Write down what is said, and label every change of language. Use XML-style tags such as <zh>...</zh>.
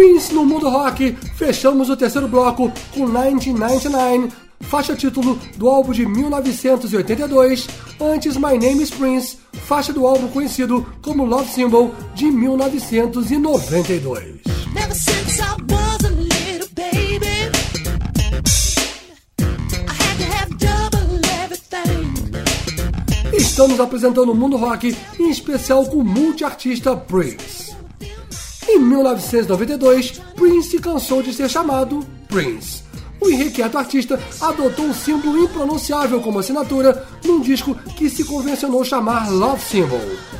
<pt>do Mundo Rock, fechamos o terceiro bloco com 1999, faixa título do álbum de 1982, antes My Name is Prince, faixa do álbum conhecido como Love Symbol de 1992.</pt> <en>Never since I was a little baby, I had to have double everything.</en> <pt>Estamos apresentando o Mundo Rock, em especial com o multi-artista Prince. Em 1992, Prince cansou de ser chamado Prince. O irrequieto artista adotou um símbolo impronunciável como assinatura num disco que se convencionou chamar Love Symbol.</pt>